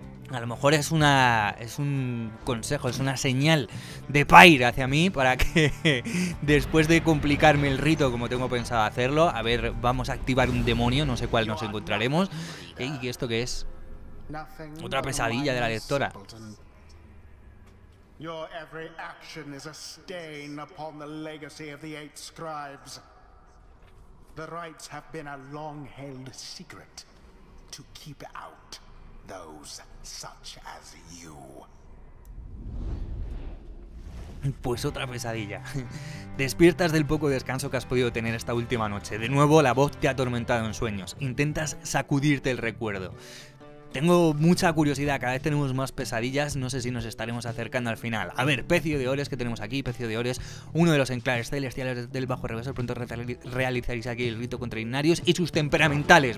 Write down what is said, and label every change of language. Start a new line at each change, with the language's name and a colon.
Spanish: A lo mejor es un consejo, es una señal de Pyre hacia mí para que después de complicarme el rito como tengo pensado hacerlo, a ver, vamos a activar un demonio, no sé cuál nos encontraremos. ¿Y esto qué es? Otra pesadilla de la lectora.
English: Your every action is a stain upon the legacy of the 8 scribes. The rites have been a long held secret to keep out those such as you.
Spanish: Pues otra pesadilla. Despiertas del poco descanso que has podido tener esta última noche. De nuevo, la voz te ha atormentado en sueños. Intentas sacudirte el recuerdo. Tengo mucha curiosidad, cada vez tenemos más pesadillas, no sé si nos estaremos acercando al final. A ver, Pecio de Ores, que tenemos aquí, Pecio de Ores, uno de los enclaves celestiales del Bajo Reverso, pronto realizaréis aquí el rito contra Ignarius y sus temperamentales.